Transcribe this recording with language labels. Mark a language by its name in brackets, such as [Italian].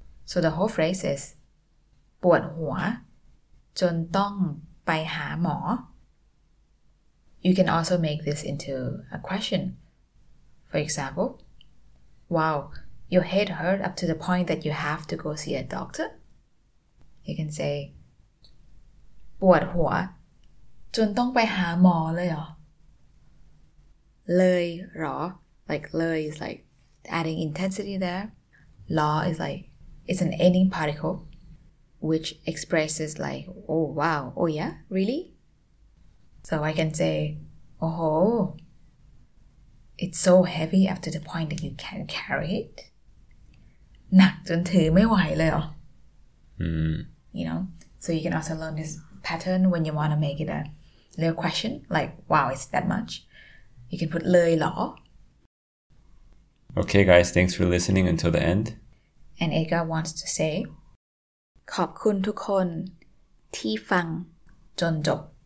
[English] So the whole phrase is [Thai] ปวดหัวจนต้องไปหาหมอ. [English] You can also make this into a question. For example, wow, your head hurt up to the point that you have to go see a doctor. You can say [Thai] ปวดหัวจนต้องไปหาหมอเลยเหรอ เลยหรอ [English] like เลย is like adding intensity there. ลอ is like it's an ending particle which expresses like oh wow oh yeah really. So I can say oh it's so heavy up to the point that you can't carry it. [Thai] หนักจนถือไม่ไหวเลยเหร อ [English] You know, so you can also learn this pattern when you want to make it a little question like wow is that much. You can put [Thai] เลยหร [English] อ. Okay guys, thanks for listening until the end. And Ega wants to say [Thai] ขอบคุณทุกคนที่ฟังจนจบ.